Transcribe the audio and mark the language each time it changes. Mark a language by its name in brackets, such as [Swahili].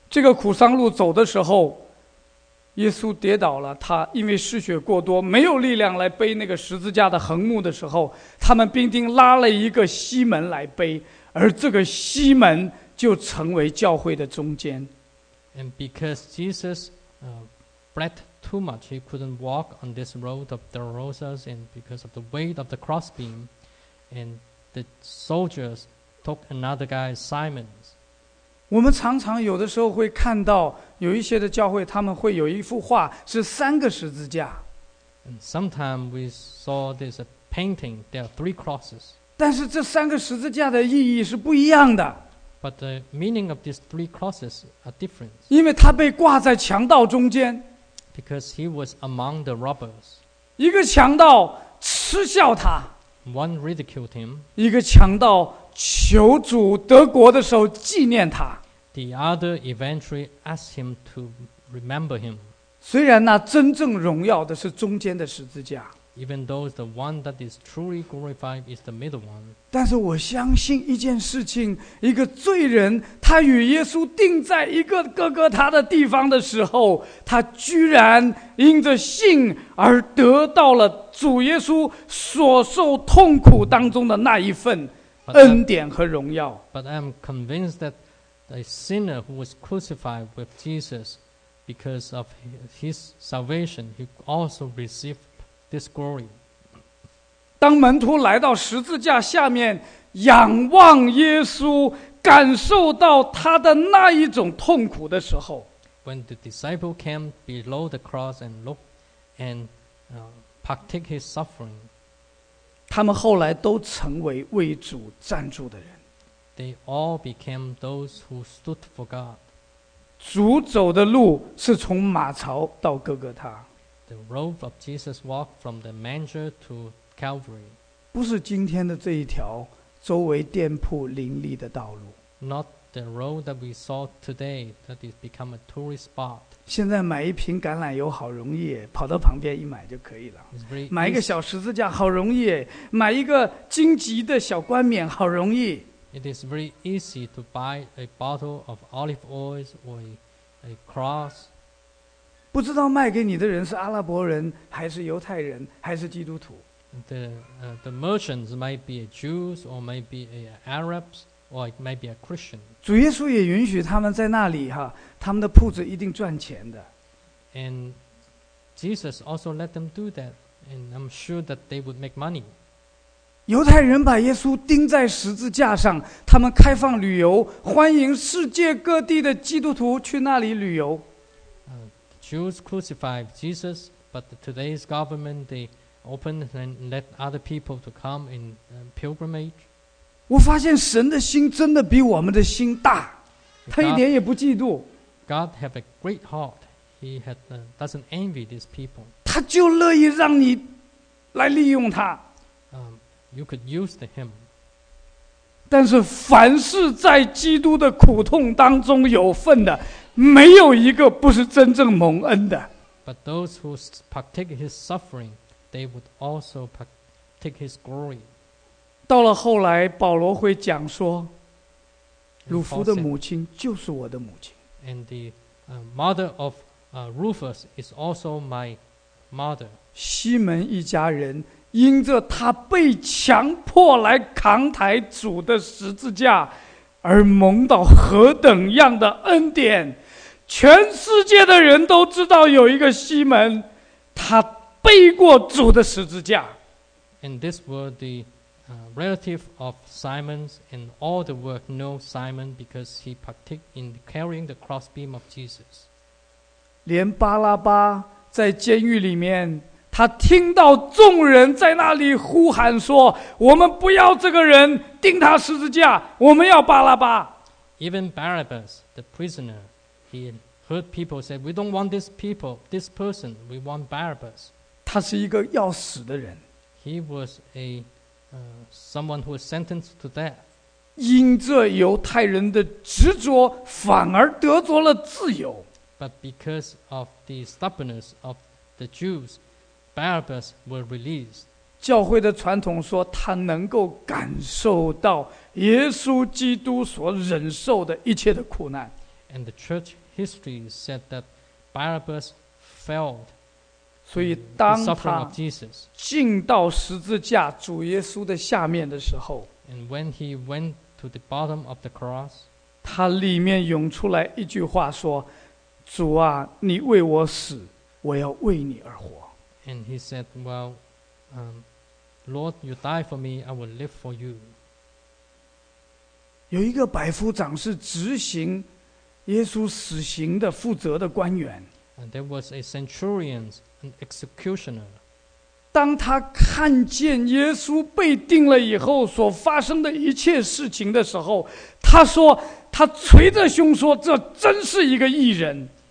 [Chinese] 这个苦伤路走的时候，耶稣跌倒了，他因为失血过多，没有力量来背那个十字架的横木的时候，他们兵丁拉了一个西门来背，而这个西门就成为教会的中间。 [English] And because Jesus bled too much, he couldn't walk on this road of the roses, and because of the weight of the crossbeam, and the soldiers took another guy, Simon. [Chinese] 我们常常有的时候会看到有一些的教会，他们会有一幅画是三个十字架。 [English] And sometimes we saw this painting, there are three crosses. [Chinese] 但是这三个十字架的意义是不一样的。 [English] But the meaning of these three crosses are different. [Chinese] 因为他被挂在强盗中间。 [English] Because he was among the robbers. [Chinese] 一个强盗嗤笑他。 [English] One ridiculed him. [Chinese] 一个强盗求主得国的时候纪念他。 [English] The other eventually asked him to remember him. [Chinese] 虽然那真正荣耀的是中间的十字架。 [English] Even though the one that is truly glorified is the middle one. [Chinese] 但是我相信一件事情，一个罪人，他与耶稣钉在一个哥哥他的地方的时候，他居然因着信而得到了主耶稣所受痛苦当中的那一份。恩典和荣耀。 [English] But I'm convinced that a sinner who was crucified with Jesus because of his salvation, he also received this glory. [Chinese] 当门徒来到十字架下面，仰望耶稣，感受到他的那一种痛苦的时候， [English] When the disciple came below the cross and looked and partake his suffering. [Chinese] 他们后来都成为为主站住的人。 [English] They all became those who stood for God. [Chinese] 主走的路是从马槽到哥哥他。 [English] The road of Jesus walked from the manger to Calvary. [Chinese] 不是今天的这一条周围店铺林立的道路。 [English] Not the road that we saw today that is become a tourist spot. [Chinese] 现在买一瓶橄榄油好容易，跑到旁边一买就可以了。买一个小十字架好容易，买一个荆棘的小冠冕好容易。 [English] It is very easy to buy a bottle of olive oil or a cross. [Chinese] 不知道卖给你的人是阿拉伯人还是犹太人还是基督徒。 [English] The merchants might be a Jews or might be a Arabs. Or it might be a Christian. [Chinese] 主耶稣也允许他们在那里哈，他们的铺子一定赚钱的。 [English] And Jesus also let them do that, and I'm sure that they would make money. [Chinese] 犹太人把耶稣钉在十字架上，他们开放旅游，欢迎世界各地的基督徒去那里旅游。 [English] Jews crucified Jesus, but today's government they opened and let other people to come in pilgrimage. [Chinese] 我发现神的心真的比我们的心大，他一点也不嫉妒。 [English] God have a great heart. He had doesn't envy these people. [Chinese] 他就乐意让你来利用他。 [English] You could use him. [Chinese] 但是凡是在基督的苦痛当中有份的，没有一个不是真正蒙恩的。 [English] But those who partake his suffering, they would also partake his glory. [Chinese] 到了后来，保罗会讲说，鲁弗的母亲就是我的母亲。 [English] And the mother of Rufus is also my mother. [Chinese] 西门一家人因着他被强迫来扛抬主的十字架而蒙到何等样的恩典，全世界的人都知道有一个西门，他背过主的十字架。 [English] And this were the relative of Simon's, and all the world know Simon because he partook in carrying the crossbeam of Jesus. [Chinese] 连巴拉巴在监狱里面，他听到众人在那里呼喊说，我们不要这个人，钉他十字架，我们要巴拉巴。 [English] Even Barabbas, the prisoner, he heard people say, we don't want this people, this person, we want Barabbas. [Chinese] 他是一个要死的人。 [English] He was a someone who was sentenced to death. [Chinese] 因着犹太人的执着，反而得着了自由。 [English] But because of the stubbornness of the Jews,Barabbas were released. [Chinese] 教会的传统说他能够感受到耶稣基督所忍受的一切的苦难。 [English] And the church history said that Barabbas felt the suffering of Jesus. [Chinese] 所以当他进到十字架主耶稣的下面的时候， [English] And when he went to the bottom of the cross, [Chinese] 他里面涌出来一句话说，主啊，你为我死，我要为你而活。 [English] And he said, well, Lord, you die for me, I will live for you. [Chinese] 有一个百夫长是执行耶稣死刑的负责的官员。 [English] And there was a centurion, an executioner. [Chinese] 当他看见耶稣被钉了以后所发生的一切事情的时候，他说，他捶着胸说，这真是一个义人。